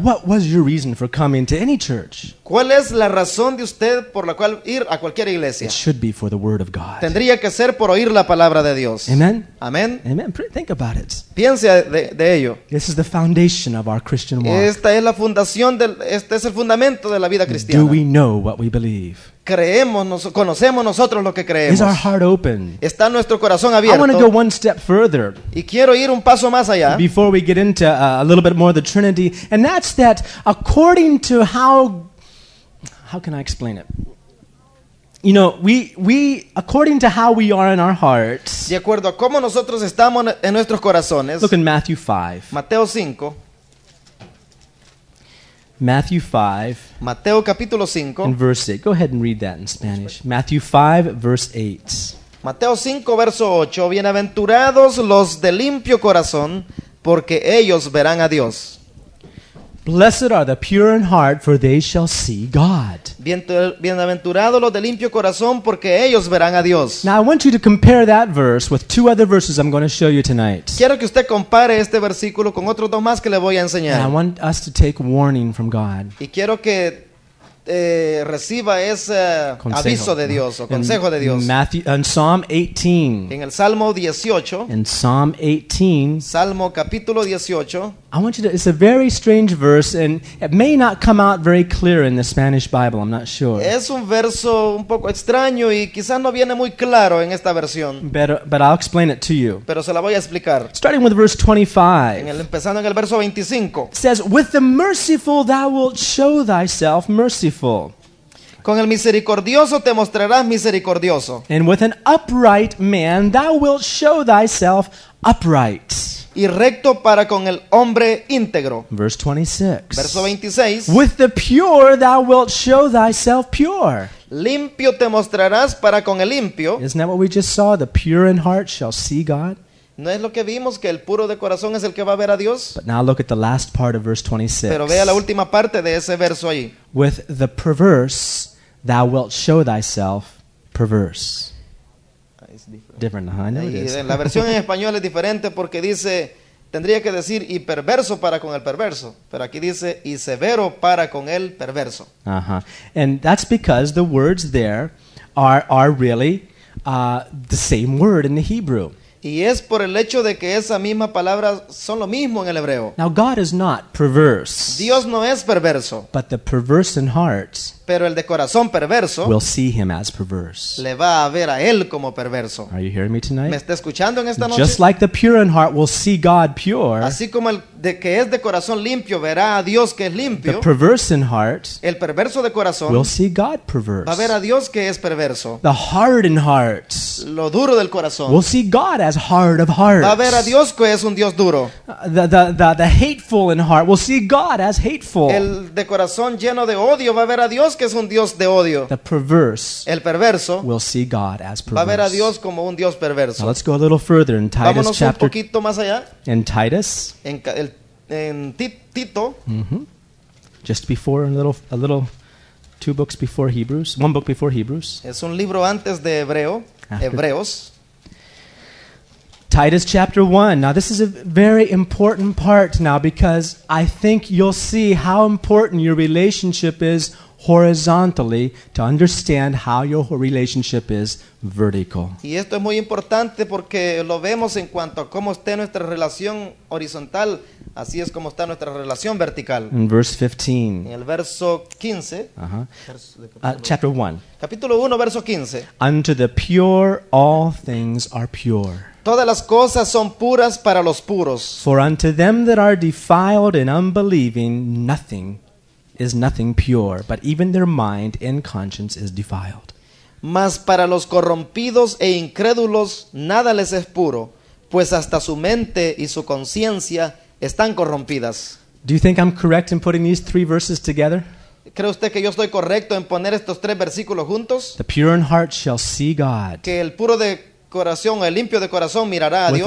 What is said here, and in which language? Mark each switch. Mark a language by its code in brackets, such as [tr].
[en] What was your reason for coming to any church? [es] ¿Cuál es la razón de usted por la cual ir a cualquier iglesia? [en] It should be for the word of God. [es] Tendría que ser por oír la palabra de Dios. [en] Amen. [es] Amen. [en] Amen. Think about it. [es] Piense de ello. [en] This is the foundation of our Christian walk. [es] Esta es la fundación del este es el fundamento de la vida cristiana. [en] Do we know what we believe? [es] Creemos, conocemos nosotros lo que creemos. [en] Is our heart open? [es] ¿Está nuestro corazón abierto? [en] I want to go one step further. [es] Y quiero ir un paso más allá. [en] Before we get into a little bit more of the Trinity, and that's that according to how can I explain it? You know, we according to how we are in our hearts. [es] De acuerdo a cómo nosotros estamos en nuestros corazones. [en] Look in Matthew 5. [es] Mateo 5. [en] Matthew 5. [es] Mateo capítulo 5. [en] In verse 8. Go ahead and read that in Spanish. Matthew 5 verse 8. [es] Mateo 5 verso 8. Bienaventurados los de limpio corazón, porque ellos verán a Dios. [en] Blessed are the pure in heart, for they shall see God. [es] Bienaventurados los de limpio corazón, porque ellos verán a Dios. [en] Now I want you to compare that verse with two other verses I'm going to show you tonight. [es] Quiero que usted compare este versículo con otros dos más que le voy a enseñar. [en] And I want us to take warning from God. [es] Y quiero que reciba ese consejo, aviso de Dios o consejo de Dios. [en] In Psalm 18. [es] En el Salmo 18. [en] In Psalm 18. [es] Salmo capítulo 18. [en] I want you to. It's a very strange verse, and it may not come out very clear in the Spanish Bible. I'm not sure. [es] Es un verso un poco extraño y quizás no viene muy claro en esta versión. [en] But I'll explain it to you. [es] Pero se la voy a explicar. [en] Starting with verse 25. [es] Empezando en el verso 25. [en] It says, "With the merciful thou wilt show thyself merciful." [es] Con el misericordioso te mostrarás misericordioso. [en] And with an upright man thou wilt show thyself upright. [es] y recto para con el hombre íntegro. [en] Verse 26. [es] Verso 26. [en] With the pure thou wilt show thyself pure. [es] Limpio te mostrarás para con el limpio. [en] Isn't that what we just saw? The pure in heart shall see God. [es] ¿No es lo que vimos que el puro de corazón es el que va a ver a Dios? [en] But now look at the last part of verse 26. [es] Pero vea la última parte de ese verso ahí. [en] With the perverse thou wilt show thyself perverse. [es] La versión en español es diferente porque dice, tendría que decir y perverso para con el perverso, pero aquí dice y severo para con el perverso. Uh-huh. [en] And that's because the words there are really the same word in the Hebrew. [es] Y es por el hecho de que esa misma palabra son lo mismo en el hebreo. [en] Now God is not perverse. [es] Dios no es perverso. [en] But the perverse in heart. [es] Pero el de corazón perverso. [en] Will see him as perverse. [es] Le va a ver a él como perverso. [en] Are you hearing me tonight? [es] ¿Me está escuchando en esta noche? [en] Just like the pure in heart will see God pure. [es] Así como el de que es de corazón limpio verá a Dios que es limpio. [en] The perverse in heart. [es] El perverso de corazón. [en] Will see God perverse. [es] Va a ver a Dios que es perverso. [en] The hard in heart. [es] Lo duro del corazón. [en] Will see God as hard of heart. [es] Va a ver a Dios que es un Dios duro. [en] The hateful in heart will see God as hateful. [es] El de corazón lleno de odio va a ver a Dios que es un Dios de odio. [en] The perverse, [es] el perverso, [en] will see God as perverse. [es] Va a ver a Dios como un Dios perverso. [en] Now let's go a little further in Titus. [es] Vámonos [en] chapter. [es] Vámonos un poquito más allá. [en] In Titus. [es] En Tito. [en] Mm-hmm. Just before a little, two books before Hebrews. One book before Hebrews. [es] Es un libro antes de Hebreo. [en] After. [es] Hebreos. [en] Titus chapter 1. Now this is a very important part now because I think you'll see how important your relationship is horizontally to understand how your relationship is vertical. [es] Y esto es muy importante porque lo vemos en cuanto a cómo está nuestra relación horizontal, así es como está nuestra relación vertical. [en] In verse 15. [es] En el verso 15. [en] Chapter 1. [es] Capítulo 1, verso 15. [en] Unto the pure all things are pure. [es] Todas las cosas son puras para los puros. [en] For unto them that are defiled and unbelieving, nothing is nothing pure, but even their mind and conscience is defiled. [es] Mas para los corrompidos e incrédulos, nada les es puro, pues hasta su mente y su conciencia están corrompidas. [en] Do you think I'm correct in putting these three verses together? [es] ¿Cree usted que yo estoy correcto en poner estos tres versículos juntos? [en] The pure in heart shall see God. [es] Que el puro de corazón, el limpio de corazón mirará a Dios.